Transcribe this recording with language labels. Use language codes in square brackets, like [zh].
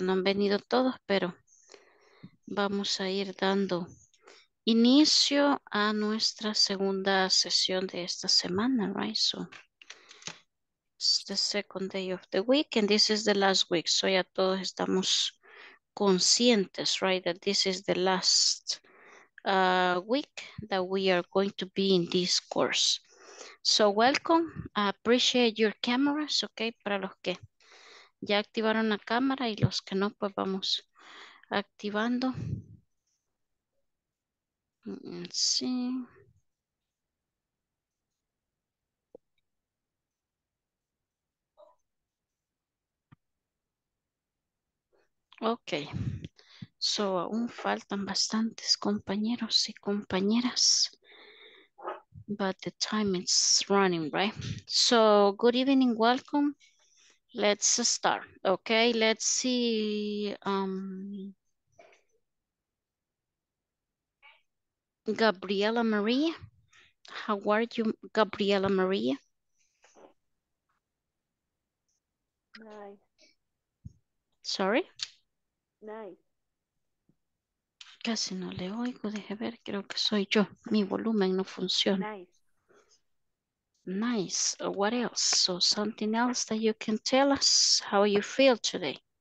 [es] No han venido todos, pero vamos a ir dando inicio a nuestra segunda sesión de esta semana, right? [en] So, it's the second day of the week, and this is the last week. So [es] ya todos estamos conscientes, [en] right, that this is the last week that we are going to be in this course. So welcome. I appreciate your cameras, okay? [es] Para los que ya activaron la cámara y los que no, pues vamos activando. [en] Let's see. Okay, so [es] aún faltan bastantes compañeros y compañeras, [en] but the time is running, right? So, good evening, welcome. Let's start. Okay, let's see. Gabriela Maria, how are you, Gabriela Maria? Hi. Sorry? Nice. [es] Casi no le oigo, deje ver, creo que soy yo. Mi volumen no funciona. [en] Nice. Nice. What else? So something else that you can tell us how you feel today?